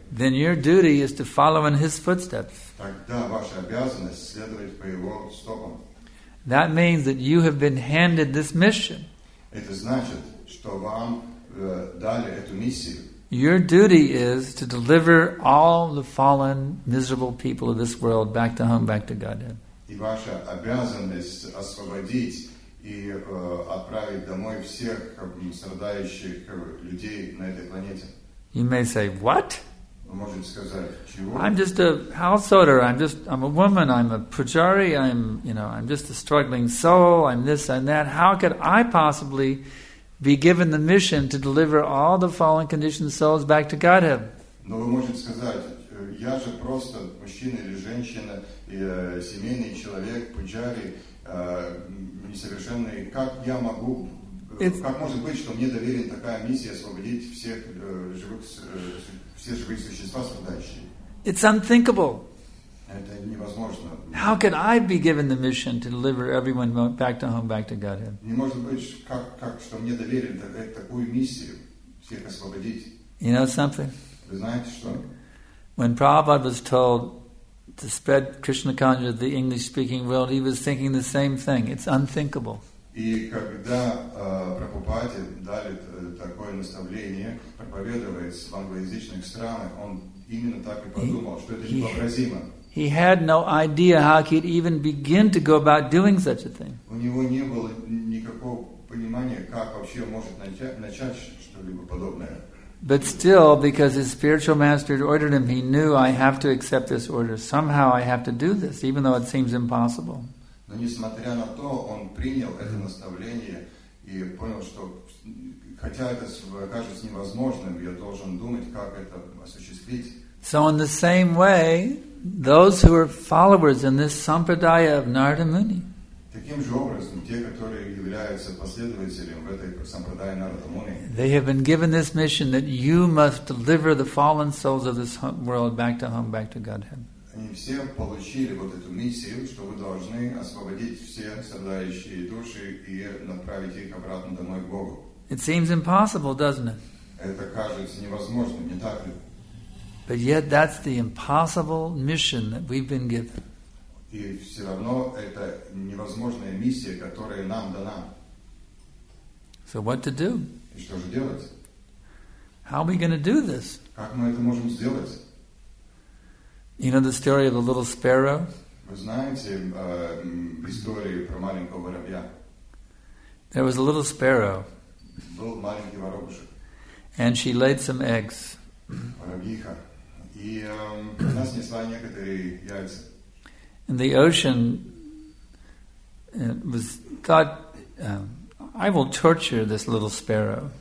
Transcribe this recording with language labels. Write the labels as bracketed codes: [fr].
[en] then your duty is to follow in his footsteps. [ru] Тогда ваша обязанность следовать по его стопам. [en] That means that you have been handed this mission. [ru] Это значит, что вам дали эту миссию. [en] Your duty is to deliver all the fallen, miserable people of this world back to home, back to Godhead. [ru] И ваша обязанность освободить и отправить домой всех страдающих людей на этой планете. [en] You may say, what? [ru] Вы можете сказать, чего? [en] I'm just a householder. I'm a woman. I'm a pujari. I'm just a struggling soul. I'm this and that. How could I possibly be given the mission to deliver all the fallen conditioned souls back to Godhead? [ru] Но вы можете сказать, я же просто мужчина или женщина, семейный человек, пуджари, несовершенный. Как я могу, как может быть, что мне доверен такая миссия освободить всех живых, все живые существа страдающие? [en] It's unthinkable. [ru] Это невозможно. [en] How can I be given the mission to deliver everyone back to home, back to Godhead? [ru] Не может быть, как что мне доверен такую миссию всех освободить? [en] You know something? [ru] Вы знаете что? [en] When Prabhupada was told to spread Krishna consciousness to the English-speaking world, he was thinking the same thing. It's unthinkable. [ru] И когда Прабхупаде дали такое наставление проповедовать в англоязычных странах, он именно так и подумал, что это невообразимо. [en] He had no idea how he'd even begin to go about doing such a thing. [ru] У него не было никакого понимания, как вообще может начать что-либо подобное. [en] But still, because his spiritual master ordered him, he knew, I have to accept this order. Somehow I have to do this, even though it seems impossible. [ru] Но несмотря на то, он принял это наставление и понял, что хотя это кажется невозможным, я должен думать, как это осуществить. [en] So in the same way, those who are followers in this sampradaya of Narada Muni, [ru] Таким же образом, те, которые являются последователем в этой сампрадае Нарада Муни, [en] they have been given this mission that you must deliver the fallen souls of this world back to home, back to Godhead. [ru] Они все получили вот эту миссию, что вы должны освободить все страдающие души и направить их обратно домой к Богу. [en] It seems impossible, doesn't it? [ru] Это кажется невозможным, не так ли? [en] But yet that's the impossible mission that we've been given. [ru] И все равно это невозможная миссия, которая нам дана. [en] So what to do? [ru] И что же делать? [en] How are we going to do this? [ru] Как мы это можем сделать? [en] You know the story of the little sparrow? [ru] Вы знаете историю про маленького воробья? [en] There was a little sparrow. [ru] Был маленький воробушек. [en] And she laid some eggs. [ru] Воробьиха. И она снесла некоторые яйца. [en] And the ocean was thought, I will torture this little sparrow.